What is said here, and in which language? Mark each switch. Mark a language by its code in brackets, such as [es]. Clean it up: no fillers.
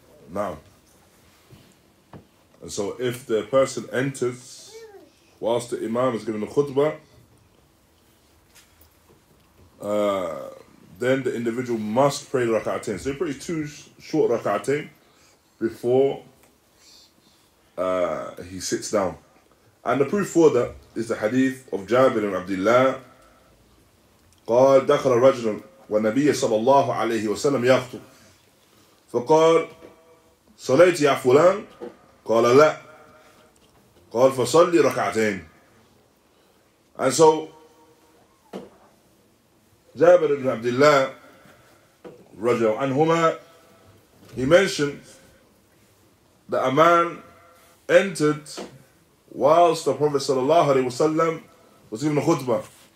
[en] Now, and so if the person enters whilst the imam is giving the khutbah, then the individual must pray the raka'atain. So he prays two short raka'atain before he sits down. And the proof for that is the hadith of Jabir and Abdullah. [ar] قال دخل رجل والنبي صلى الله عليه وسلم يخطب فقال صليت يا فلان قال لا قال فصلي ركعتين. [en] And so Jabir ibn Abdullah [ar] رضي الله عنهما, [en] he mentioned that a man entered whilst the Prophet [ar] صلى الله عليه وسلم [en] was giving a khutbah.